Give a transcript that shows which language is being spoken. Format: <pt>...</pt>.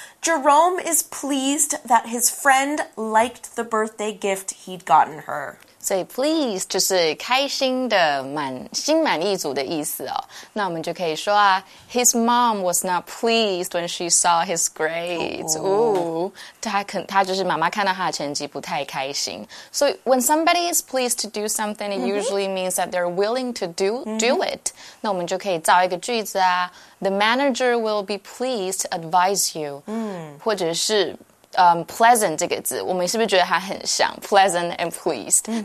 <en>Jerome is pleased that his friend liked the birthday gift he'd gotten her.</en> <zh>所以 please 就是开心的满心满意足的意思哦。那我们就可以说啊</zh> <en>，His mom was not pleased when she saw his grades.</en> <zh>他就是妈妈看到他的成绩不太开心。</zh> <en>So when somebody is pleased to do something, it usually means that they're willing to do it.</en> <zh>那我们就可以造一个句子啊 ，</zh> <en>The manager will be pleased to advise you.</en> <zh>或者是。 Pleasant 这个字我们是不是觉得它很像 Pleasant and pleased、mm-hmm.</zh>